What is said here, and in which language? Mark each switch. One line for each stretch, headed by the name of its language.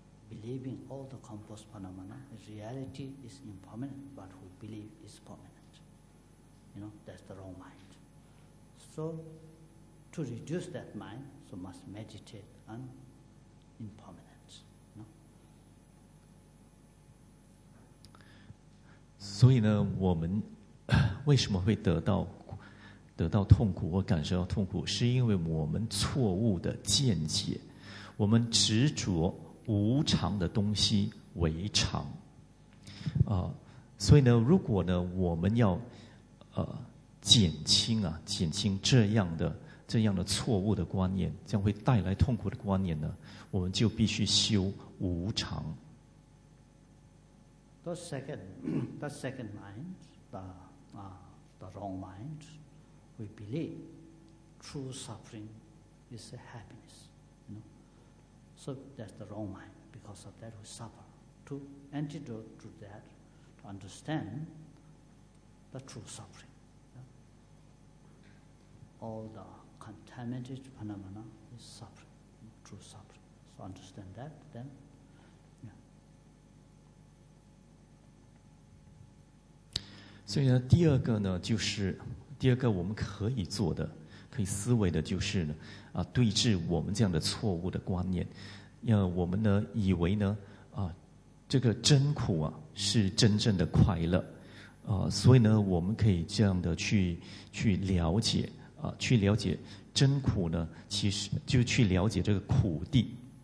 English: Believing all the composed phenomena, reality is impermanent, but we believe is permanent. You know, that's the wrong mind. So to reduce that mind, so must meditate on impermanent.
Chinese: 所以呢，我们为什么会得到痛苦或感受到痛苦，是因为我们错误的见解，我们执着无常的东西为常。所以呢，如果呢，我们要减轻这样的错误的观念，将会带来痛苦的观念呢，我们就必须修无常。
English: The second mind, the wrong mind, we believe true suffering is happiness. You know? So that's the wrong mind. Because of that, we suffer. To antidote to that, to understand the true suffering. Yeah? All the contaminated phenomena is suffering, true suffering. So understand that, then.
Chinese: 所以呢，第二个呢，就是第二个我们可以做的、可以思维的，就是呢，对治我们这样的错误的观念。我们呢以为呢啊，这个真苦啊是真正的快乐，所以呢我们可以这样的去了解啊，去了解真苦呢，其实就去了解这个苦地。